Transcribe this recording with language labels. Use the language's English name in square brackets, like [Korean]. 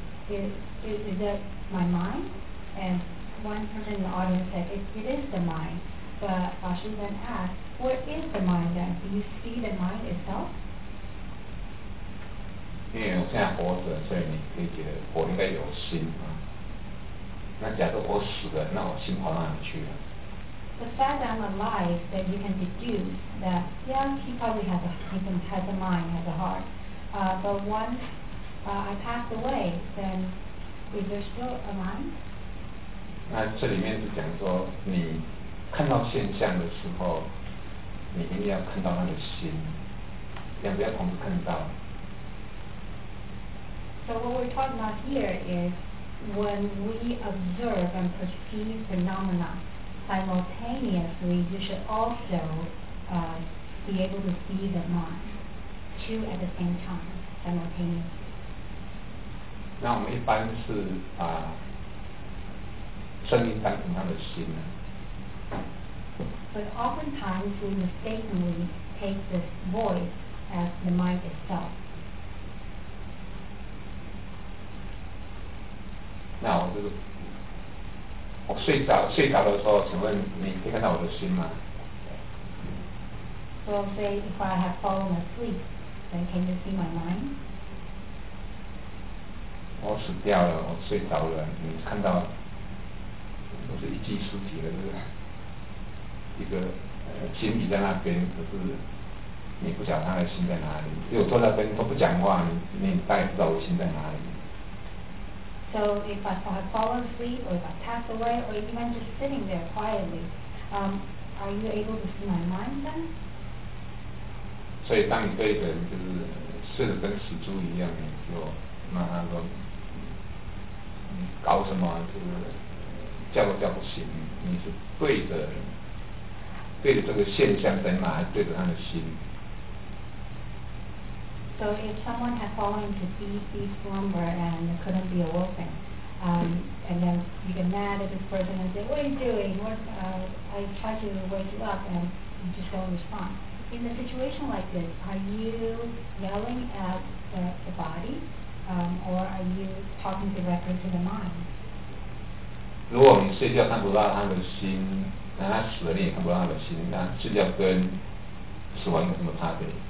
[English] Is it my mind? And one person in the audience said, it is the mind. But Fashi then asked, where is the mind then? Do you see the mind itself? [Chinese] 因为我现在活着，所以你可以觉得我应该有心啊。那假如我死了，那我心跑到哪里去了？ [English] The fact that I'm alive, that you can deduce that, yeah, he probably has a mind, has a heart. But once I pass away, then is there still a mind? [Chinese] 那这里面是讲说，你看到现象的时候，你一定要看到他的心，两边同时看到。 [English] So what we're talking about here is when we observe and perceive phenomena simultaneously, you should also be able to see the mind two at the same time, simultaneously. [Chinese] 那我们一般是把声音当成他的心呢？ [English] But oftentimes we mistakenly take this voice as the mind itself. [Chinese] 是我睡着的时候，请问你可以看到我的心吗？ [English] So say if I have fallen asleep, then can you see my mind? [Chinese] 我死掉了，我睡着了，你看到都是一具尸体了，是一个心理在那边，可是你不晓得他的心在哪里，因为我坐在那边都不讲话， 你大概不知道我心在哪里。 [English] So if I have fallen asleep, or if I pass away, or even just sitting there quietly, are you able to see my mind then? [Chinese] 所以当你对一个人就是睡得跟死猪一样，你就那他说搞什么，就是叫都叫不醒，你是对着这个现象在哪，对着他的心。 [English] So if someone had fallen into deep slumber and couldn't be awoken, and then you get mad at this person and say, what are you doing? I tried to wake you up and you just don't respond. In a situation like this, are you yelling at the body, or are you talking directly to the mind? [Chinese] 如果你睡觉看不到他的心，那他死了你也看不到他的心，那睡觉跟死亡有什么差别？